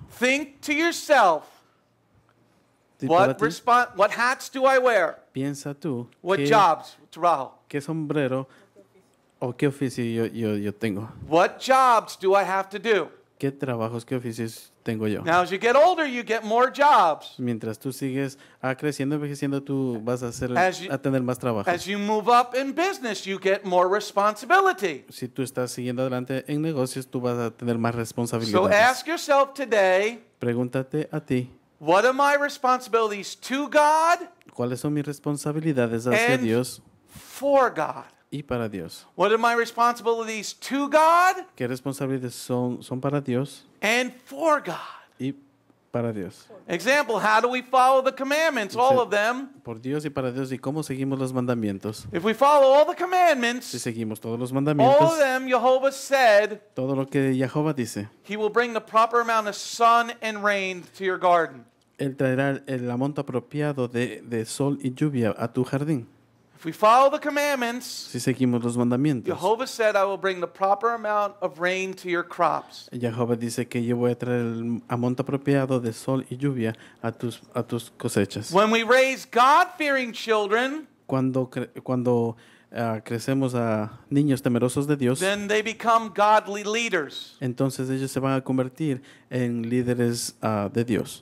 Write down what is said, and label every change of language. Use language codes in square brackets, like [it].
[en] Think to yourself. What hats do I wear? [es] Piensa tú. [en] What jobs, [es] trabajo? ¿Qué sombrero o qué oficio yo tengo? [en] What jobs do I have to do? [es] ¿Qué trabajos, qué oficios tengo yo? [en] Now, as you get older, you get more jobs. [es] Mientras tú sigues creciendo, envejeciendo, tú vas a tener más trabajo. [en] As you move up in business, you get more responsibility. [es] Si tú estás siguiendo adelante en negocios, tú vas a tener más responsabilidades. [en] So ask yourself today, [es] pregúntate a ti, [en] what are my responsibilities to God? [es] ¿Cuáles son mis responsabilidades hacia [en] and [es] Dios? [en] For God. [es] Y para Dios. [en] What are my responsibilities to God? [es] ¿Qué responsabilidades son para Dios? [en] And for God. [es] Y para Dios. [en] Example, how do we follow the commandments, all of them? [es] Por Dios y para Dios, ¿y cómo seguimos los mandamientos? [en] If we follow all the commandments, [es] si seguimos todos los mandamientos, [en] all of them, Jehovah said, [es] todo lo que Jehová dice, [en] he will bring the proper amount of sun and rain to your garden. [es] Él traerá el amonto apropiado de sol y lluvia a tu jardín. [en] If we follow the commandments, [es] si seguimos los mandamientos, [en] Jehovah said, I will bring the proper amount of rain to your crops. [es] Jehovah dice que yo voy a traer el amonto apropiado de sol y lluvia a tus cosechas. [en] When we raise God-fearing children, [es] cuando crecemos a niños temerosos de Dios, [en] then they become godly leaders. [es] Entonces ellos se van a convertir en líderes de Dios.